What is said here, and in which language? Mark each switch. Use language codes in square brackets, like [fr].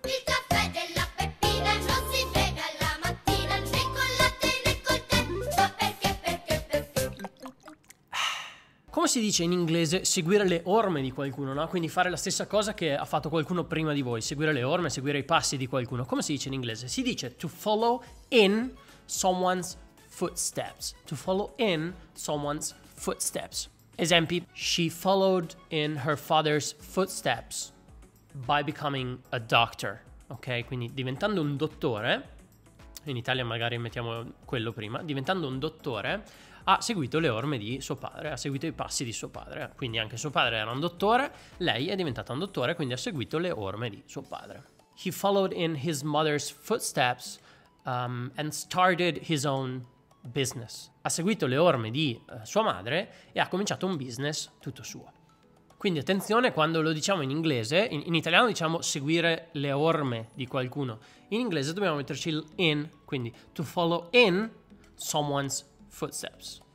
[it] Il caffè della Peppina, non si frega la mattina, né con latte né col tè, ma perché, perché, perché? Come si dice in inglese, seguire le orme di qualcuno, no? Quindi fare la stessa cosa che ha fatto qualcuno prima di voi, seguire le orme, seguire i passi di qualcuno. Come si dice in inglese? Si dice [en] to follow in someone's footsteps. To follow in someone's footsteps. [it] Esempi: [en] she followed in her father's footsteps by becoming a doctor. [it] Ok, quindi diventando un dottore, in Italia magari mettiamo quello prima, diventando un dottore ha seguito le orme di suo padre, ha seguito i passi di suo padre. Quindi anche suo padre era un dottore, lei è diventata un dottore, quindi ha seguito le orme di suo padre. [en] He followed in his mother's footsteps and started his own business. [it] Ha seguito le orme di sua madre e ha cominciato un business tutto suo. Quindi attenzione quando lo diciamo in inglese, in italiano diciamo seguire le orme di qualcuno, in inglese dobbiamo metterci il in, quindi [en] to follow in someone's footsteps.